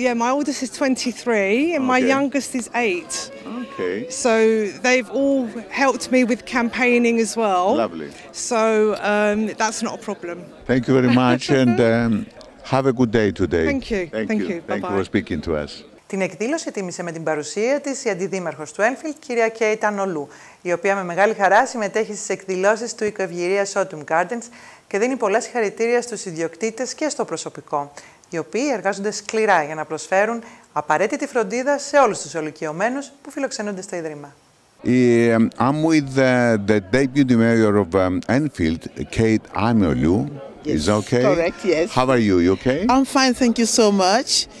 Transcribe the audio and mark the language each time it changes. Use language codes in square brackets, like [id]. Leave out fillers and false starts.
[en] My oldest is 23, and my youngest is 8. Okay. So they've all helped me with campaigning as well. Lovely. So that's not a problem. Thank you very much, and have a good day today. Thank you. Thank you. Thank you for speaking to us. [el] Την εκδήλωση τίμησε με την παρουσία της η αντιδήμαρχος του Ένφιλντ, κυρία Κέιτ Ανολού, η οποία με μεγάλη χαρά συμμετέχει στις εκδηλώσεις του οικοευγηρίας Autumn Gardens και δίνει πολλά συγχαρητήρια στους ιδιοκτήτες και στο προσωπικό, οι οποίοι εργάζονται σκληρά για να προσφέρουν απαραίτητη φροντίδα σε όλους τους ολοικιωμένους που φιλοξενούνται στο Ίδρυμα. [en] I'm with the deputy mayor of Enfield, Kate Anolou. Yes, is okay? Correct, yes. How are you? You okay? I'm fine, thank you so much.